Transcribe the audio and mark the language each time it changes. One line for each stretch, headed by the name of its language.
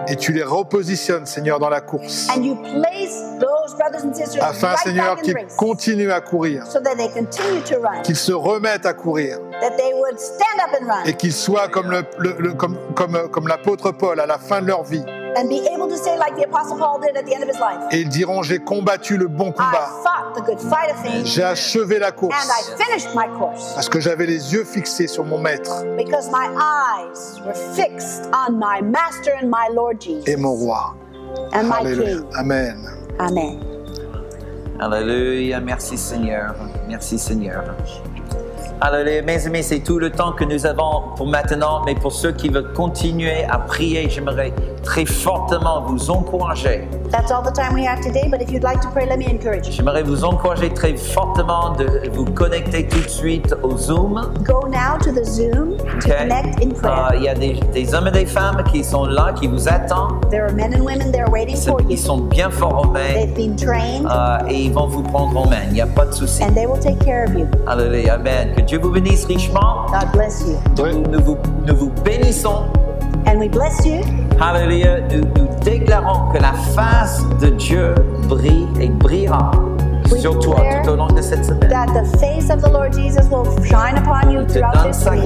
French: Et tu les repositionnes, Seigneur, dans la course.
English: And you place those brothers and sisters
French: afin,
English: right
French: Seigneur,
English: back
French: qu'ils
English: in race,
French: continuent à courir.
English: So that they continue to run.
French: Qu'ils se remettent à courir.
English: That they would stand up and run.
French: Et qu'ils soient comme l'apôtre Paul à la fin de leur vie.
English: And be able to say like the Apostle Paul did at the end of his life.
French: Et ils diront, j'ai combattu le bon combat.
English: I fought the good fight of faith.
French: J'ai achevé la course.
English: And I finished my course.
French: Parce que j'avais les yeux fixés sur mon maître.
English: Because my eyes were fixed on my master and my Lord Jesus.
French: Et mon roi.
English: And Hallelujah. My king. Amen. Amen.
French: Alléluia. Merci Seigneur. Merci Seigneur. Alléluia. Mes amis, c'est tout le temps que nous avons pour maintenant, mais pour ceux qui veulent continuer à prier, j'aimerais très fortement vous encourager.
English: That's all the time we have today, but if you'd like to pray, let me encourage you.
French: J'aimerais vous encourager très fortement de vous connecter tout de suite au Zoom.
English: Go now to the Zoom to connect in prayer.
French: Il y a des hommes et des femmes qui sont là, qui vous attendent.
English: There are men and women there waiting for you.
French: Ils sont bien formés.
English: They've been trained.
French: Et ils vont vous prendre en main. Il n'y a pas de souci.
English: And they will take care of you.
French: Alléluia. Amen. Que Dieu vous bénisse richement.
English: God bless you.
French: Nous vous bénissons.
English: And we bless you. Hallelujah.
French: Nous déclarons que la face de Dieu brille et brillera sur toi tout au long de cette semaine.
English: That the face of the Lord Jesus will shine upon you throughout this week.